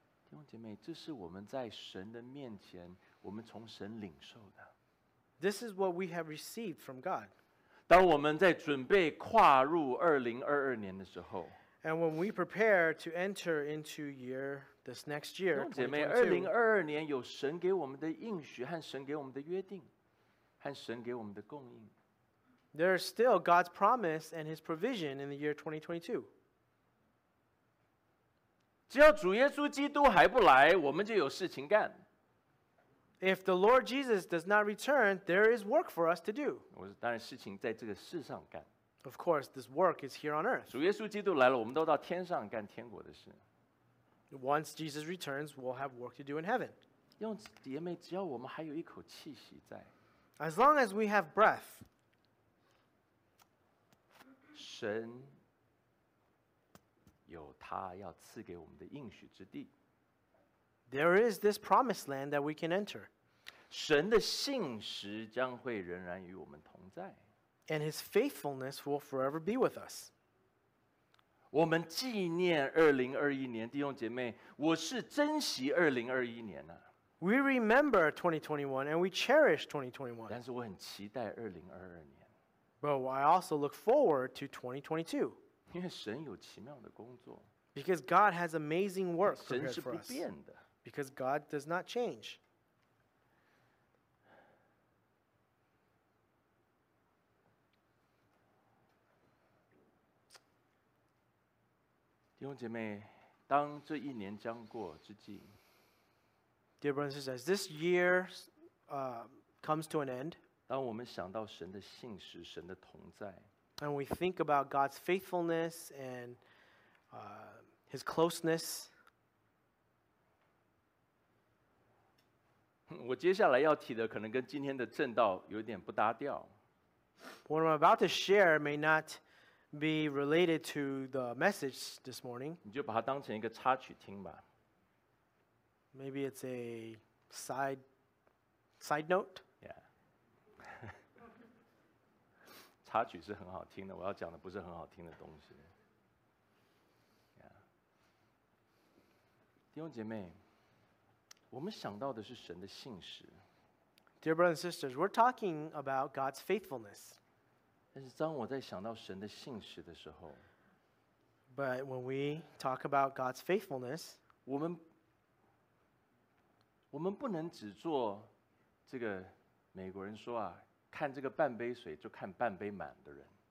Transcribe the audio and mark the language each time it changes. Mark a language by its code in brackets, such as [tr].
[zh] 弟兄姐妹，这是我们在神的面前，我们从神领受的。 [en] This is what we have received from God. [zh] 当我们在准备跨入2022年的时候 [en] ，And when we prepare to enter into this next year, [zh] 弟兄姐妹，2022年有神给我们的应许和神给我们的约定，和神给我们的供应。 [en] There is still God's promise and His provision in the year 2022. [zh] 只要主耶稣基督还不来，我们就有事情干。 [en] If the Lord Jesus does not return, there is work for us to do. [zh] 我当然事情在这个世上干。 [en] Of course, this work is here on earth. [zh] 主耶稣基督来了，我们都到天上干天国的事。 [en] Once Jesus returns, we'll have work to do in heaven. [zh] 姐妹，只要我们还有一口气息在。 [en] As long as we have breath. [zh] 神有他要赐给我们的应许之地。 [en] There is this promised land that we can enter. [zh] 神的信实将会仍然与我们同在。 [en] And His faithfulness will forever be with us. [zh] 我们纪念2021年，弟兄姐妹，我是珍惜2021年啊。 [en] We remember 2021 and we cherish 2021. [zh] 但是我很期待2022年。 [en] But I also look forward to 2022. [zh] 因为神有奇妙的工作。 [en] Because God has amazing work prepared for us. [zh] 神是不变的。 [en] Because God does not change. [zh] 弟兄姐妹，当这一年将过之际 [en] ，Dear brothers and sisters, this year comes to an end. [zh] 当我们想到神的信实、神的同在。 [en] And we think about God's faithfulness and His closeness. [zh] 我接下来要提的可能跟今天的正道有点不搭调。 [en] What I'm about to share may not be related to the message this morning. [zh] 你就把它当成一个插曲听吧。 [en] Maybe it's a side note. Yeah. [zh] 插曲是很好听的，我要讲的不是很好听的东西。弟兄姐妹，我们想到的是神的信实。 [en] Dear brothers and sisters, we're talking about God's faithfulness. [zh] 但是当我在想到神的信实的时候， [en] But when we talk about God's faithfulness, [zh] 我们不能只做这个美国人说啊，看这个半杯水就看半杯满的人。